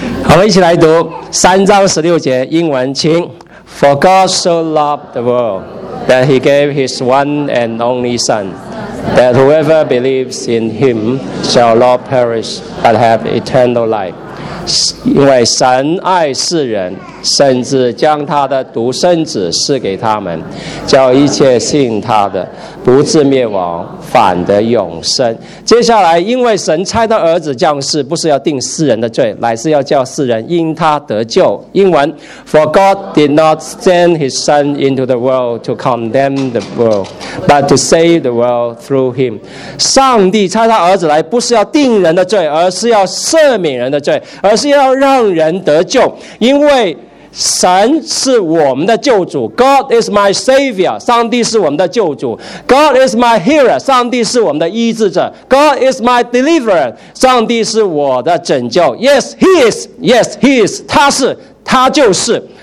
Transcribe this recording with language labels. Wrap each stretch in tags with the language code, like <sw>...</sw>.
<zh>我们一起来读三章十六节英文，请</zh> <en>For God so loved the world that he gave his one and only sonThat whoever believes in him shall not perish but have eternal life.</en> <zh>因为神爱世人，甚至将他的独生子赐给他们，叫一切信他的不至灭亡，反得永生。接下来，因为神差他儿子降世，不是要定世人的罪，乃是要叫世人因他得救。</zh> <en>英文 ：For God did not send his Son into the world to condemn the world, but to save the world through him.</en> <zh>上帝差他儿子来，不是要定人的罪，而是要赦免人的罪，而是要让人得救。因为神是我们的救主，</zh> <en>God is my savior，</en> <zh>上帝是我们的救主，</zh> <en>God is my healer，</en> <zh>上帝是我们的医治者，</zh> <en>God is my deliverer，</en> <zh>上帝是我的拯救。</zh> <en>Yes, he is，</en> <zh>他是，他就是。</zh>